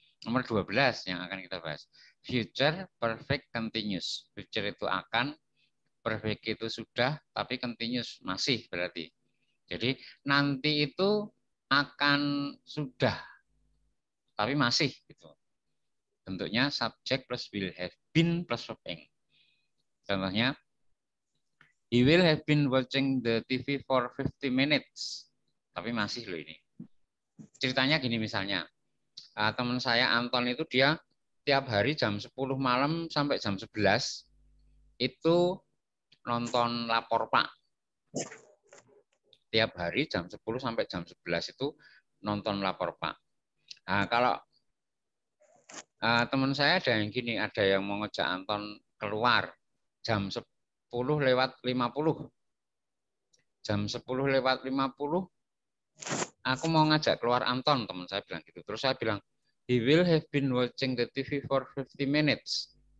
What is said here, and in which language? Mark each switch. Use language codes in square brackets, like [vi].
[id] Nomor 12 yang akan kita bahas. Future perfect continuous. Future itu akan, perfect itu sudah, tapi continuous masih berarti. Jadi nanti itu akan sudah, tapi masih gitu. Bentuknya subject plus will have been plus hoping. Contohnya, [en] he will have been watching the TV for 50 minutes. [id] Tapi masih loh ini. Ceritanya gini misalnya. Teman saya Anton itu dia tiap hari jam 10 malam sampai jam 11 itu nonton Lapor Pak. Tiap hari jam 10 sampai jam 11 itu nonton Lapor Pak. Nah, kalau teman saya ada yang gini, ada yang mau ngejak Anton keluar jam 10 lewat 50. Jam 10 lewat 50, aku mau ngajak keluar Anton, teman saya bilang gitu. Terus saya bilang, [en] he will have been watching the TV for 50 minutes.